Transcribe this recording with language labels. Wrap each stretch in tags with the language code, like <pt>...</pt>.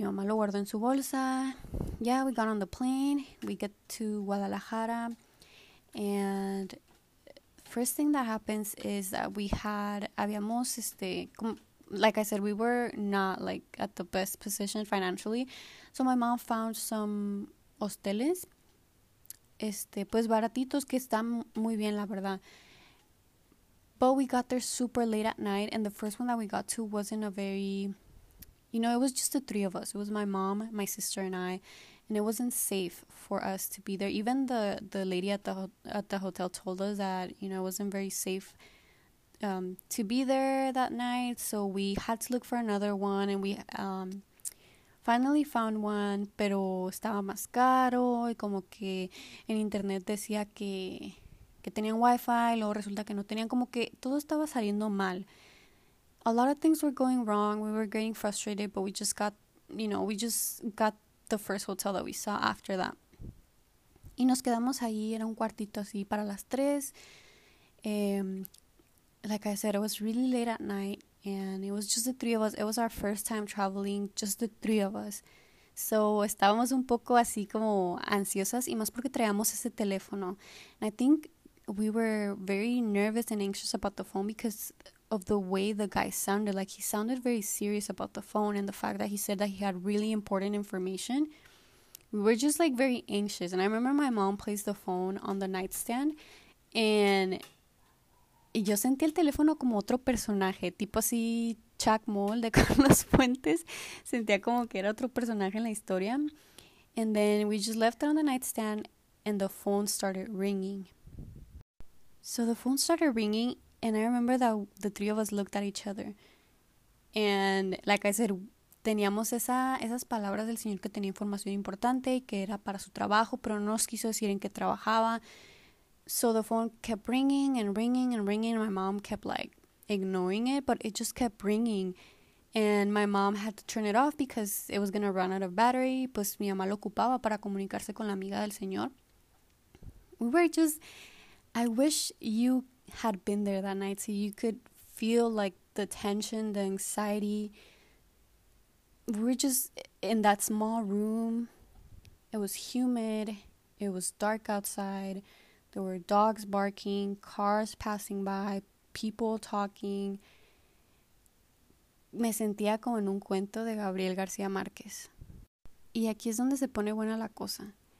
<es>Mi mamá lo guardó en su bolsa.</es> <en>Yeah, we got on the plane. We get to Guadalajara. And first thing that happens is that we had, habíamos, like I said, we were not like at the best position financially. So my mom found some</en> <es>hosteles, pues baratitos, que están muy bien, la verdad.</es> <en>But we got there super late at night, and the first one that we got to wasn't a very, you know, it was just the three of us. It was my mom, my sister, and I, and it wasn't safe for us to be there. Even the lady at the hotel told us that, you know, it wasn't very safe to be there that night. So we had to look for another one, and we finally found one,</en> <es>pero estaba más caro, y como que en internet decía que tenían wifi, y luego resulta que no tenían, como que todo estaba saliendo mal.</es> <en>A lot of things were going wrong. We were getting frustrated, but we just got, you know, we just got the first hotel that we saw after that.</en> <es>Y nos quedamos ahí, era un cuartito así para las tres.</es> <en>Like I said, it was really late at night, and it was just the three of us. It was our first time traveling, just the three of us. So</en> <es>estábamos un poco así como ansiosas, y más porque traíamos ese teléfono.</es> <en>And I think we were very nervous and anxious about the phone because of the way the guy sounded. Like, he sounded very serious about the phone and the fact that he said that he had really important information. We were just like very anxious. And I remember my mom placed the phone on the nightstand, and</en> <es>yo sentí el teléfono como otro personaje, tipo así Chuck Mole de Carlos Fuentes. Sentía como que era otro personaje en la historia.</es> <en>And then we just left it on the nightstand, and the phone started ringing. So the phone started ringing, and I remember that the three of us looked at each other. And like I said,</en> <es>teníamos esas palabras del señor que tenía información importante y que era para su trabajo, pero no nos quiso decir en qué trabajaba.</es> <en>So the phone kept ringing and ringing and ringing, and my mom kept like ignoring it, but it just kept ringing. And my mom had to turn it off because it was gonna run out of battery.</en> <es>Pues mi mamá lo ocupaba para comunicarse con la amiga del señor.</es> <en>We were just, I wish you had been there that night so you could feel like the tension, the anxiety. We were just in that small room. It was humid. It was dark outside. There were dogs barking, cars passing by, people talking.</en> <es>Me sentía como en un cuento de Gabriel García Márquez. Y aquí es donde se pone buena la cosa.</es>